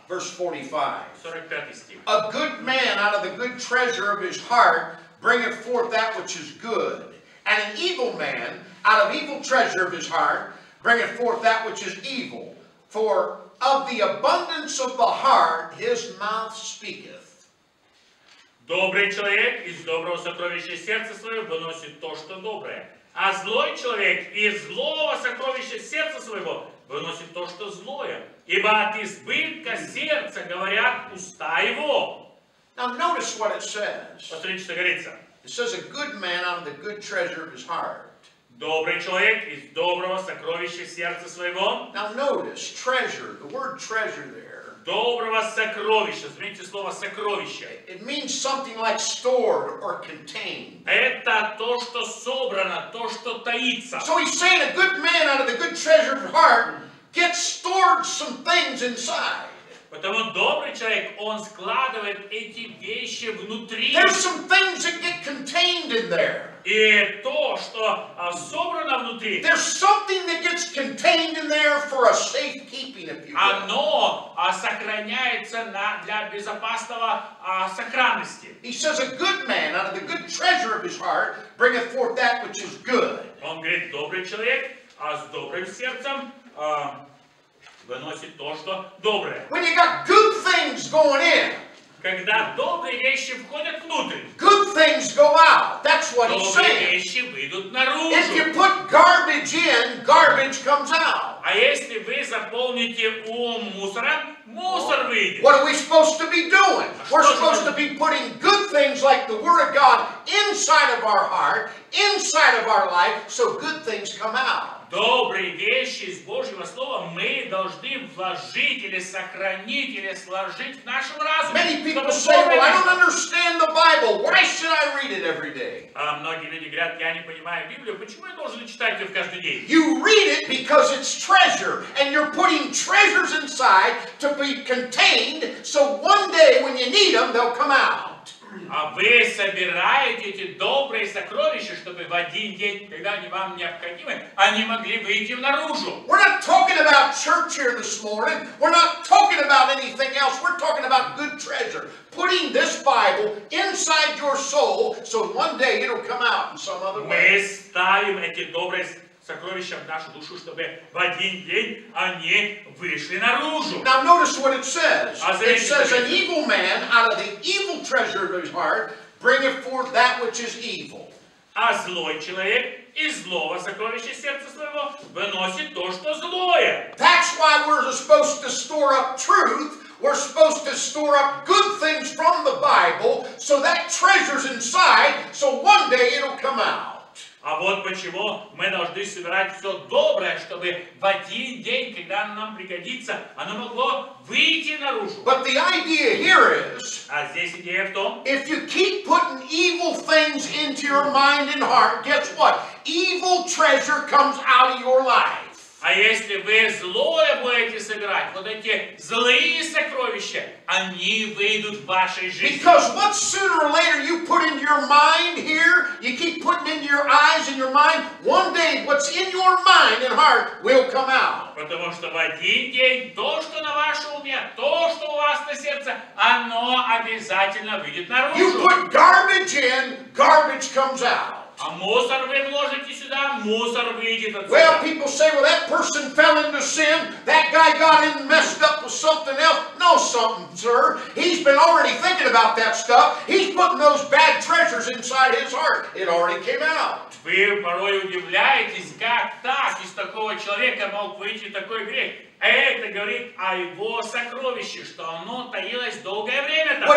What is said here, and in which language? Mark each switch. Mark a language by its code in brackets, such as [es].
[en] Verse 45. [ru] 45 стих. [en] A good man out of the good treasure of his heart bringeth forth that which is good. And an evil man out of evil treasure of his heart bringeth forth that which is evil. For of the abundance of the heart his mouth speaketh. [ru] Добрый человек из доброго сокровища сердца своего выносит то, что доброе. А злой человек из злого сокровища сердца своего выносит то, что злое. Ибо от избытка сердца говорят уста его. [en] Now notice what it says. [ru] Посмотрите, что говорится. [en] It says a good man out of the good treasure of his heart. [ru] Добрый человек из доброго сокровища сердца своего. [en] Now notice, treasure, the word treasure there. [ru] Доброго сокровища, смотрите слово сокровище. [en] It means something like stored or contained. [ru] Это то, что собрано, то, что таится. [en] So he's saying a good man out of the good treasure of his heart gets stored some things inside. [ru] Потому добрый человек, он складывает эти вещи внутри. [en] There's some things that get contained in there. [ru] И то, что собрано внутри. [en] There's something that gets contained in there for a safekeeping, if you will. [ru] Оно сохраняется для безопасного сохранности. [en] He says, a good man out of the good treasure of his heart bringeth forth that which is good. [ru] Он говорит, добрый человек, с добрым сердцем, выносит то, что доброе. [en] When you got good things going in. [ru] Когда добрые вещи входят внутрь. [en] Good things go out. That's what he's saying. [ru] Добрые вещи выйдут наружу. [en] If you put garbage in, garbage comes out. [ru] А если вы заполните ум мусором, мусор выйдет. [en] What are we supposed to be doing? We're supposed to be putting good things like the Word of God inside of our heart, inside of our life, so good things come out. [ru] Добрые вещи из Божьего слова мы должны вложить или сохранить или сложить в нашем разуме. [en] Many people say, "Well, I don't understand the Bible. Why should I read it every day?" [ru] Многие люди говорят, я не понимаю Библию. Почему я должен читать ее каждый день? [en] You read it because it's treasure, and you're putting treasures inside to be contained, so one day when you need them, they'll come out. [ru] А вы собираете эти добрые сокровища, чтобы в один день, когда они вам необходимы, они могли выйти наружу. [en] We're not talking about church here this morning. We're not talking about anything else. We're talking about good treasure. Putting this Bible inside your soul, so one day it'll come out in some other way. [ru] Мы ставим эти добрые сокровища в нашу душу, чтобы в один день они вышли наружу. [en] Now notice what it says. It says, an evil man out of the evil treasure of his heart bringeth forth that which is evil. [ru] А злой человек из злого сокровища сердца своего выносит то, что злое. [en] That's why we're supposed to store up truth. We're supposed to store up good things from the Bible, so that treasure's inside, so one day it'll come out. [ru] А вот почему мы должны собирать все доброе, чтобы в один день, когда оно нам пригодится, оно могло выйти наружу. [en] But the idea here is, [ru] а здесь идея в том, [en] if you keep putting evil things into your mind and heart, guess what? Evil treasure comes out of your life. [ru] А если вы злое будете собирать, вот эти злые сокровища, они выйдут в вашей жизни. [en] Because what sooner or later you put into your mind here, you keep putting into your eyes and your mind, one day what's in your mind and heart will come out. [ru] Потому что в один день то, что на вашем уме, то, что у вас на сердце, оно обязательно выйдет наружу. [en] You put garbage in, garbage comes out. [ru] А мусор вы вложите сюда, мусор выйдет отсюда. [en] Well, people say, well, that person fell into sin. That guy got in and messed up with something else. No something, sir. He's been already thinking about that stuff. He's putting those bad treasures inside his heart. It already came out. [ru] Вы порой удивляетесь, как так из такого человека мог выйти такой грех. Это говорит о его сокровище, что оно таилось долгое время там.